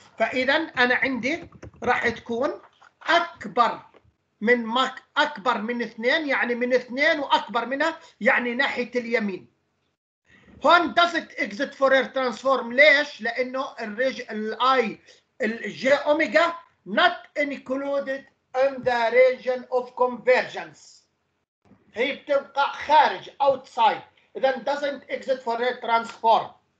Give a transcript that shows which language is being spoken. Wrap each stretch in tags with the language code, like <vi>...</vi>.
<ar>فاذا انا عندي راح تكون اكبر من ماك، اكبر من اثنين يعني من اثنين واكبر منها يعني ناحيه اليمين. هون</ar> <en>دازت exit Fourier transform,</en> <ar>ليش؟ لانه الاي الجي اوميجا</ar> <en>not included in the region of convergence.</en> <ar>هي بتبقى خارج outside.</ar> <en>Then doesn't exist for the transform.</en>